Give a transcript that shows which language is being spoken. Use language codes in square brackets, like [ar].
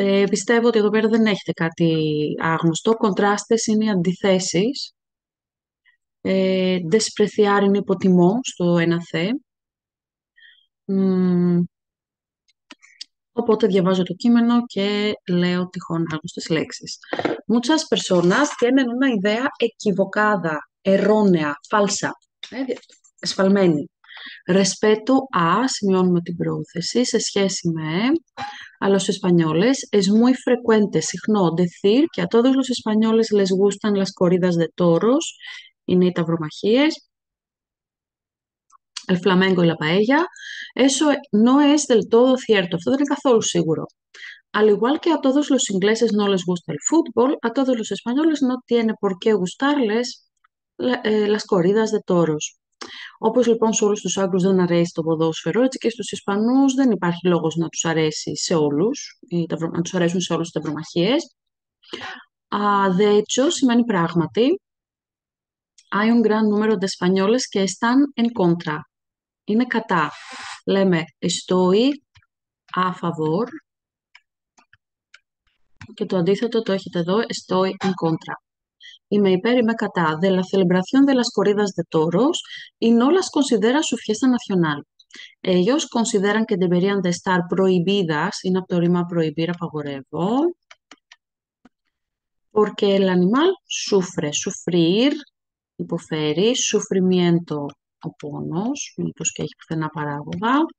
[el] Πιστεύω ότι εδώ πέρα δεν έχετε κάτι άγνωστο. Κοντράστες είναι οι αντιθέσεις. Despreciar είναι υποτιμώ στο ένα θε. Οπότε διαβάζω το κείμενο και λέω τυχόν άγνωστες λέξεις. [es] Muchas personas tienen una idea equivocada, errónea, falsa, εσφαλμένη. Respecto a, [el] σημειώνουμε την πρόθεση, σε σχέση με, [es] a los españoles, es muy frecuente, συχνό, decir que a todos los españoles les gustan las corridas de toros, [el] είναι οι ταυρομαχίες. [es] El flamenco y la paella. Eso no es del todo cierto. [el] Αυτό δεν είναι καθόλου σίγουρο. [es] Al igual que a todos los ingleses no les gusta el fútbol, a todos los españoles no tiene por qué gustarles las corridas de toros. [el] Όπως λοιπόν σε όλους τους Άγγλους δεν αρέσει το ποδόσφαιρο, έτσι και στους Ισπανούς δεν υπάρχει λόγος να τους αρέσει σε όλους, ή να τους αρέσουν σε όλους οι ταυρομαχίες. [es] De hecho, [el] σημαίνει πράγματι. [es] Hay un gran número de españoles que están en contra. [el] Είναι κατά. Λέμε [es] estoy a favor. [el] Και το αντίθετο το έχετε εδώ, [es] estoy en contra. [el] Είμαι υπέρ, είμαι κατά. [es] De la celebración de las corridas de toros y no las considera su fiesta nacional. Ellos consideran que deberían de estar prohibidas, [el] είναι από το ρήμα [es] prohibir, απαγορεύω. Porque el animal sufre, sufrir, [el] υποφέρει, sufrimiento, ο πόνος, μήπως και έχει πουθενά παράγωγα.